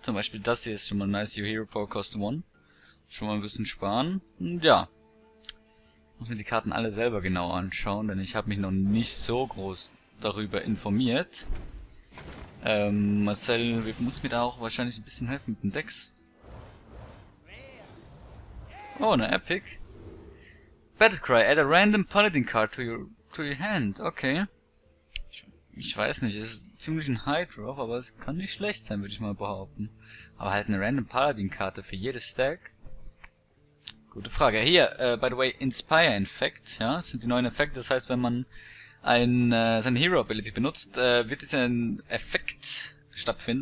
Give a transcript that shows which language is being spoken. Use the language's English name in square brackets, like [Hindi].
[German] Zum Beispiel das hier ist schon mal nice. [English] Your Hero Power Cost 1. [German] Schon mal ein bisschen sparen. Und ja. Muss mir die Karten alle selber genau anschauen, denn ich habe mich noch nicht so groß darüber informiert. Marcel muss mir da auch wahrscheinlich ein bisschen helfen mit dem Dex. Oh, eine Epic. [English] Battlecry, add a random Paladin card to your hand. Okay. [German] Ich weiß nicht, es ist ziemlich ein High Drop, aber es kann nicht schlecht sein, würde ich mal behaupten. Aber halt eine random Paladin Karte für jedes Stack. Gute Frage. Hier, [English] by the way, [German] Inspire Effect, ja, das sind die neuen Effekte. Das heißt, wenn man seine Hero Ability benutzt, wird jetzt ein Effekt stattfinden.